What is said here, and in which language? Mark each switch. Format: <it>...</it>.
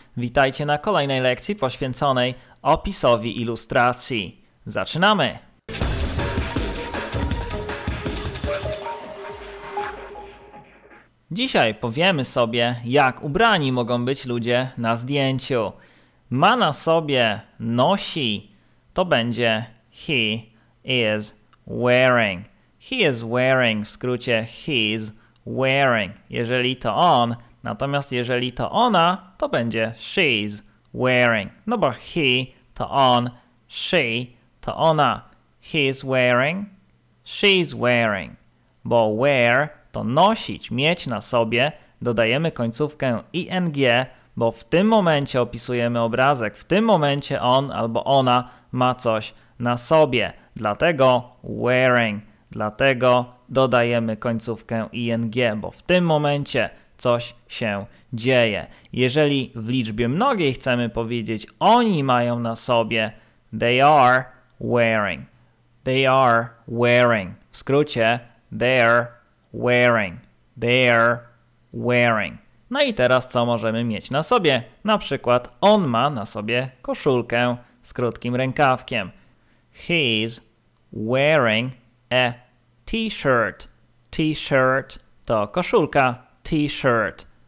<pl>Witajcie na kolejnej lekcji poświęconej opisowi ilustracji. Zaczynamy! Dzisiaj powiemy sobie, jak ubrani mogą być ludzie na zdjęciu. Ma na sobie, nosi, to będzie</pl> <en>he is wearing. He is wearing,</en> <pl>w skrócie</pl> <en>he's wearing.</en> <pl>Jeżeli to on, natomiast jeżeli to ona, to będzie</pl> <en>she's wearing.</en> <pl>No bo he to on, she to ona.</pl> <en>He's wearing, she's wearing.</en> <pl>Bo wear to nosić, mieć na sobie. Dodajemy końcówkę ing, bo w tym momencie opisujemy obrazek. W tym momencie on albo ona ma coś na sobie. Dlatego wearing. Dlatego dodajemy końcówkę ing, bo w tym momencie coś się dzieje. Jeżeli w liczbie mnogiej chcemy powiedzieć oni mają na sobie,</pl> <en>they are wearing. They are wearing.</en> <pl>W skrócie</pl> <en>they're wearing. They're wearing.</en> <pl>No i teraz co możemy mieć na sobie? Na przykład on ma na sobie koszulkę z krótkim rękawkiem.</pl> <en>He's wearing a t-shirt.</en> <pl>T-shirt to koszulka. T-shirt.</pl>